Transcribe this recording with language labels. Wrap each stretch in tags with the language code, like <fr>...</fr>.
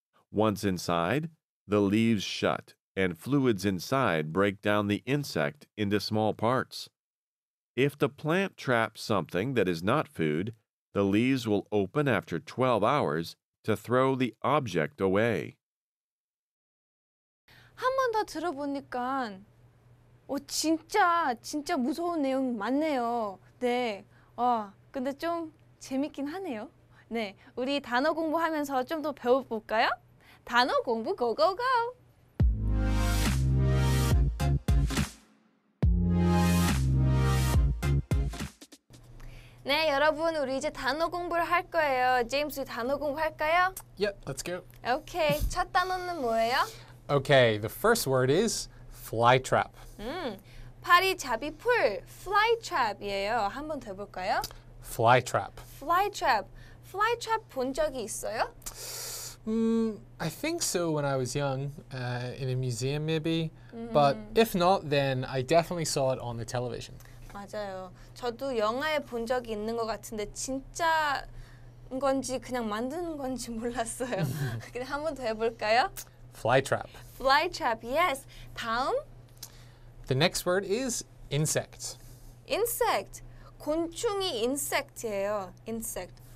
<en>Once inside, the leaves shut and fluids inside break down the insect into small parts. If the plant traps something that is not food, the leaves will open after 12 hours to throw the object away.</en> <ko>한 번 더 들어보니까 진짜 무서운 내용 맞네요. 네. 근데 좀 재밌긴 하네요. 네. 우리 단어 공부하면서 좀 더 배워 볼까요? 단어 공부 고고고. Hey, 여러분, 우리 이제 단어 공부를 할 거예요. James, 우리 단어 공부할까요?</ko> <en>Yep, let's go.</en> <ko>Okay, 첫 단어는 뭐예요?</ko> <en>Okay, the first word is flytrap.</en> <ko>파리잡이풀, flytrap이에요. 한번 더 볼까요?</ko> <en>Flytrap.</en> <ko>Flytrap 본 적이 있어요?</ko> <en>I think so when I was young, in a museum maybe. Mm-hmm. But if not, then I definitely saw it on the television.</en> <ko>맞아요. 저도 영화에 본 적이 있는 것 같은데 진짜인 건지 그냥 만드는 건지 몰랐어요. 그냥 한 번 더 해볼까요?</ko> <en>Flytrap. Flytrap, yes.</en> <ko>다음?</ko> <en>The next word is insect.</en> <ko>Insect. 곤충이 insect예요. Insect.</ko>